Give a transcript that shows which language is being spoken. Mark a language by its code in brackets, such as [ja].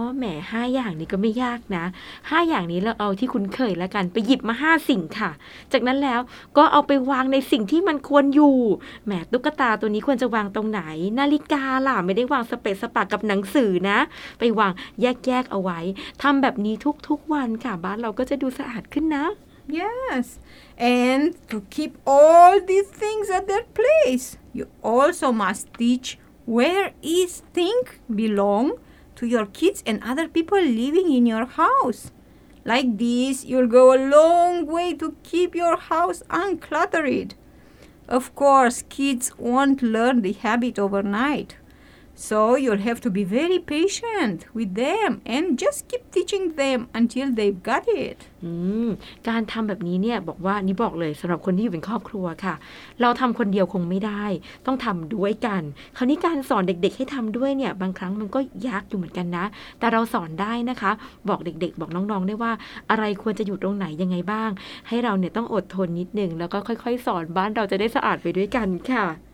[th] แหม5อย่างนี้ก็ไม่ยากนะ5อย่างนี้เราเอาที่คุ้นเคยแล้วกันไปหยิบมา5สิ่งค่ะจากนั้นแล้วก็เอาไปวางในสิ่งที่มันควรอยู่แหมตุ๊กตาตัวนี้ควรจะวางตรงไหนนาฬิกาล่ะไม่ได้วางสเปะสปะกับหนังสือนะไปวางแยกๆเอาไว้ทำแบบนี้ทุกๆวันค่ะบ้านเราก็จะดูสะอาดขึ้นนะ [en] Yes and to keep all these things at their place you also must teach where each thing belongto your kids and other people living in your house. Like this, you'll go a long way to keep your house uncluttered. Of course, kids won't learn the habit overnight. So you'll have to be very patient with them and just keep teaching them until they've got it. [th] การทำแบบนี้เนี่ยบอกว่านี่บอกเลยสำหรับคนที่อยู่เป็นครอบครัวค่ะเราทำคนเดียวคงไม่ได้ต้องทำด้วยกันคราวนี้การสอนเด็กๆให้ทำด้วยเนี่ยบางครั้งมันก็ยากอยู่เหมือนกันนะแต่เราสอนได้นะคะบอกเด็กๆบอกน้องๆได้ว่าอะไรควรจะอยู่ตรงไหนยังไงบ้างให้เราเนี่ยต้องอดทนนิดนึงแล้วก็ค่อยๆสอนบ้านเราจะได้สะอาดไปด้วยกันค่ะ